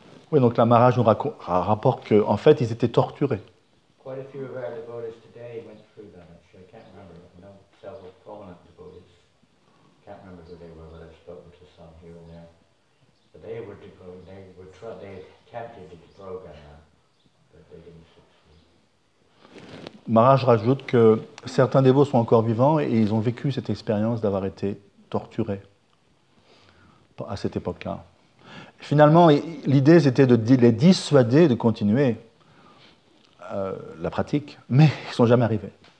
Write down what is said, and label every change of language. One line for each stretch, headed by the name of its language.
French: Oui, donc la Maharaj nous rapporte que, en fait, ils étaient torturés.
English: Quite a few of our devotees today went through that, actually. I can't remember. I know several prominent devotees. I can't remember who they were, but I've spoken to some here and there. But they were devoted, they attempted to program that, but they didn't succeed.
French: Maharaj rajoute que certains dévots sont encore vivants et ils ont vécu cette expérience d'avoir été torturés à cette époque-là. Finalement, l'idée, c'était de les dissuader de continuer la pratique, mais ils ne sont jamais arrivés.